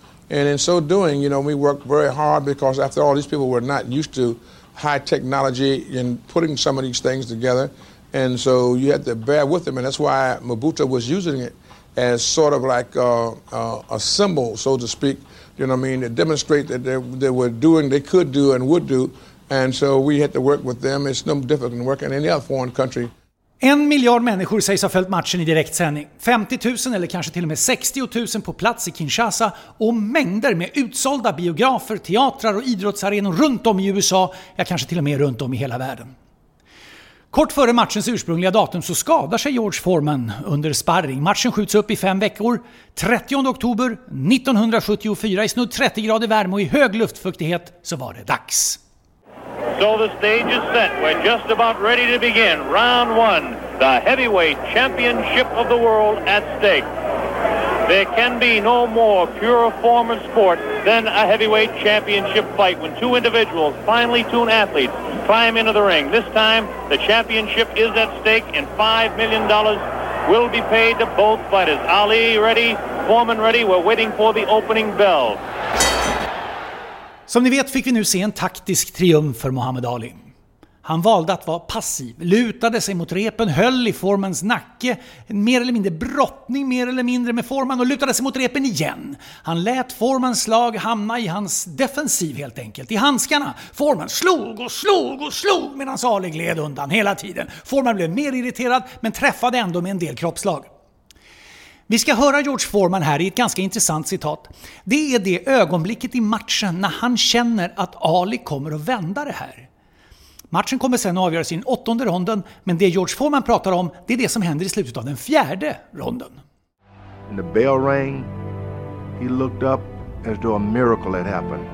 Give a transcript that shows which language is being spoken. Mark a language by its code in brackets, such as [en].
[en] And in so doing, you know, we worked very hard because after all, these people were not used to high technology in putting some of these things together, and so you had to bear with them, and that's why Mobutu was using it as sort of like a symbol, so to speak, you know what I mean, to demonstrate that they were doing, they could do and would do, and so we had to work with them. It's no different than working in any other foreign country. [sv] 1 miljard människor sägs ha följt matchen i direktsändning. 50 000 eller kanske till och med 60 000 på plats i Kinshasa och mängder med utsålda biografer, teatrar och idrottsarenor runt om i USA, ja kanske till och med runt om i hela världen. Kort före matchens ursprungliga datum så skadar sig George Foreman under sparring. Matchen skjuts upp i 5 veckor. 30 oktober 1974 i snudd 30 grader värme och i hög luftfuktighet så var det dags. [en] So the stage is set. We're just about ready to begin. Round one, the heavyweight championship of the world at stake. There can be no more pure form of sport than a heavyweight championship fight when two individuals, finely tuned athletes, climb into the ring. This time, the championship is at stake in $5 million will be paid to both fighters. Ali ready, Foreman ready, we're waiting for the opening bell. [sv] Som ni vet fick vi nu se en taktisk triumf för Muhammad Ali. Han valde att vara passiv, lutade sig mot repen, höll i Foremans nacke, en mer eller mindre brottning mer eller mindre med Foreman och lutade sig mot repen igen. Han lät Foremans slag hamna i hans defensiv helt enkelt, i handskarna. Foreman slog och slog och slog medan Ali gled undan hela tiden. Foreman blev mer irriterad men träffade ändå med en del kroppsslag. Vi ska höra George Foreman här i ett ganska intressant citat. Det är det ögonblicket i matchen när han känner att Ali kommer att vända det här. Matchen kommer sen att avgöra sin åttonde ronden, men det George Foreman pratar om, det är det som händer i slutet av den fjärde ronden. [en] When the bell rang, he looked up as though a miracle had happened.